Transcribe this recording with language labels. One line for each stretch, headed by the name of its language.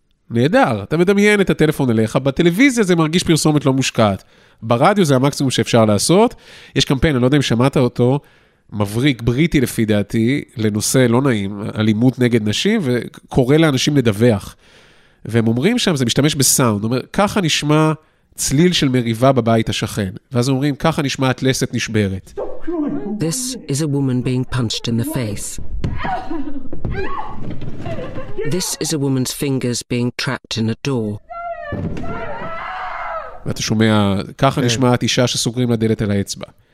Hebrew: נהדר, אתה מדמיין את הטלפון אליך, בטלוויזיה זה מרגיש פרסומת לא מושקעת, ברדיו זה המקסימום שאפשר לעשות, יש קמפיין, אני לא יודע אם שמעת אותו, מבריק בריטי לפי דעתי, לנושא לא נעים, אלימות נגד נשים, וקורא לאנשים לדווח, והם אומרים שם, זה משתמש בסאונד, אומר, ככה נשמע צליל של מריבה בבית השכן, ואז אומרים, ככה נשמע אטלסת נשברת.
English: This is a woman being punched in the face. This is a woman's fingers being trapped in a door.
Hebrew: ואתה שומע, ככה נשמעת אישה שסוגרים לדלת על האצבע.